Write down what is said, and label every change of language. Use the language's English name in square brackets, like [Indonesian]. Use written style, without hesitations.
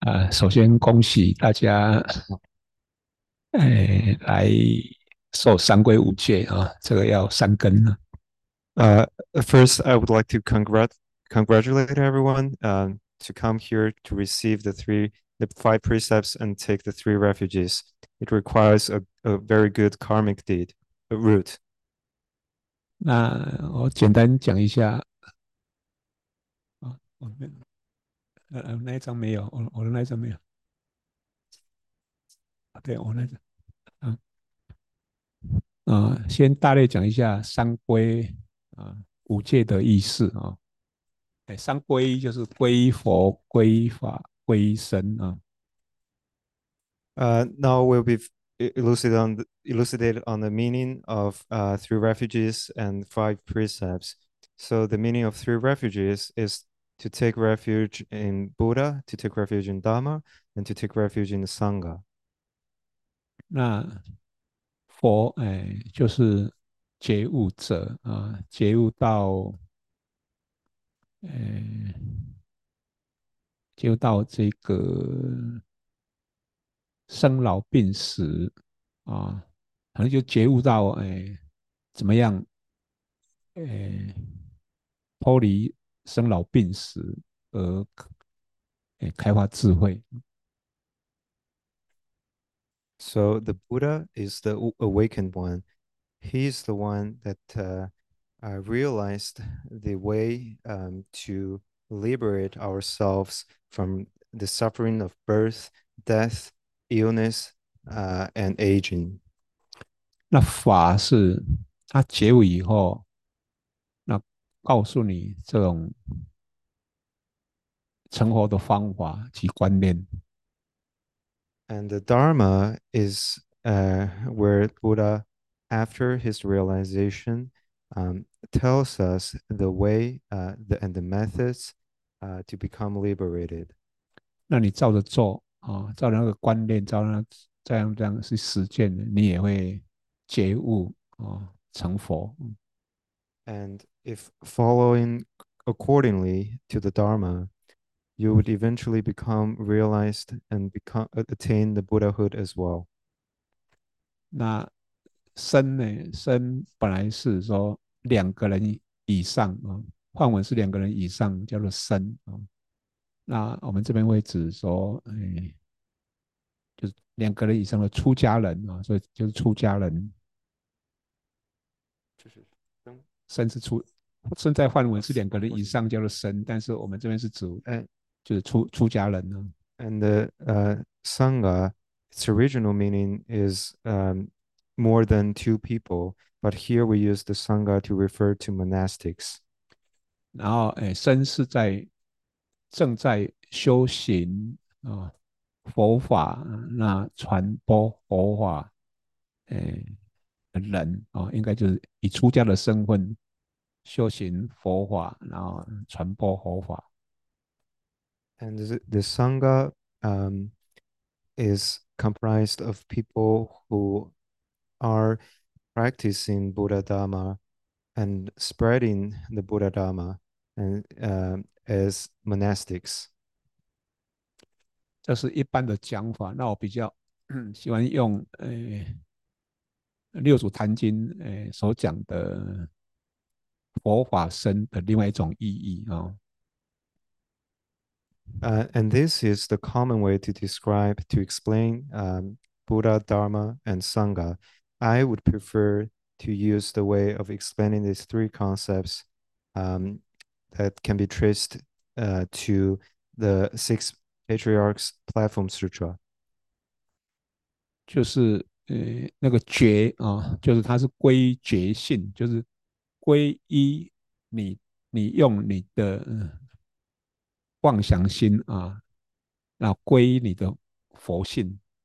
[Chinese] 首先恭喜大家，来受三皈五戒啊，这个要三根了。 [English] First, I would like to congratulate everyone to come here to receive the five precepts and take the three refuges. It requires a very good karmic deed, a root. [Chinese] 那我简单讲一下，我那一张没有，我的那一张没有，对，我那张，先大略讲一下三皈五戒的意思三皈就是皈依佛、皈依法、皈依僧啊。 [English] Now we'll be elucidated on the meaning of three refuges and five precepts. So the meaning of three refuges is to take refuge in Buddha, to take refuge in Dharma, and to take refuge in the Sangha. [Chinese] 那佛就是觉悟者觉悟到，觉悟到这个生老病死反正就觉悟到怎么样脱离生老病死而开发智慧。 [English] So the Buddha is the awakened one. He is the one that realized the way to liberate ourselves from the suffering of birth, death, illness, and aging. [Chinese] 那法是他觉悟以后，告诉你这种成佛的方法及观念。 [English] And the Dharma is where Buddha, after his realization, tells us the way and the methods to become liberated. [Chinese] 那你照着做照那个观念，照那这样去实践，你也会觉悟成佛。 [English] And if following accordingly to the Dharma, you would eventually become realized and become attain the Buddhahood as well. [Chinese] 那僧呢？僧本来是说两个人以上梵文是两个人以上叫做僧那我们这边会指说，就是两个人以上的出家人所以就是出家人。就是生，生是出，生在梵文是两个人以上叫做生，但是我们这边是指，就是出家人呢。 [English] And the Sangha, its original meaning is more than two people, but here we use the Sangha to refer to monastics. [Chinese] 然后，生是在正在修行啊，佛法那传播佛法，人啊，应该就是以出家的身份修行佛法，然后传播佛法。 [English] And the Sangha is comprised of people who are practicing Buddha Dharma and spreading the Buddha Dharma and as monastics. [Chinese] 这是一般的讲法，那我比较喜欢用六祖坛经所讲的佛法僧的另外一种意义啊。 [English] And this is the common way to describe, to explain Buddha, Dharma, and Sangha. I would prefer to use the way of explaining these three concepts that can be traced to the Six Patriarchs Platform Sutra. [Chinese] 就是那个觉啊，就是它是归觉性，就是归依你用你的妄想心啊，那归依你的佛性。